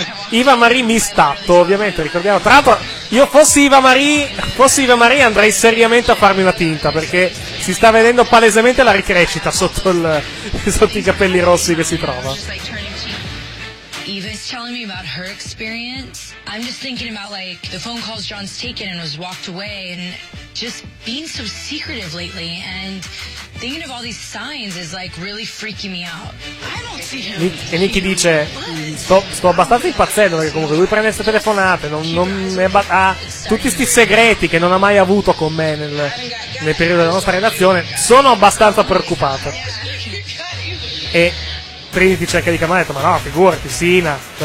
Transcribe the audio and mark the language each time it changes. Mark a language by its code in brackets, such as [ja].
[it] Iva Marie mi statto, ovviamente, ricordiamo. Tra l'altro, io fossi Iva Marie andrei seriamente a farmi una tinta, perché si sta vedendo palesemente la ricrescita sotto i capelli rossi che si trova. [en] Eva's telling me about her experience. I'm just thinking about like the phone calls John's taken and was walked away and just being so secretive lately and thinking of all these signs is like really freaking me out. I don't see him. [it] E Nikki dice: sto abbastanza impazzendo perché comunque lui prende queste telefonate, non ha tutti questi segreti che non ha mai avuto con me nel periodo della nostra relazione. Sono abbastanza preoccupato. E Trinity cerca di chiamare, ma no, figurati, Sina.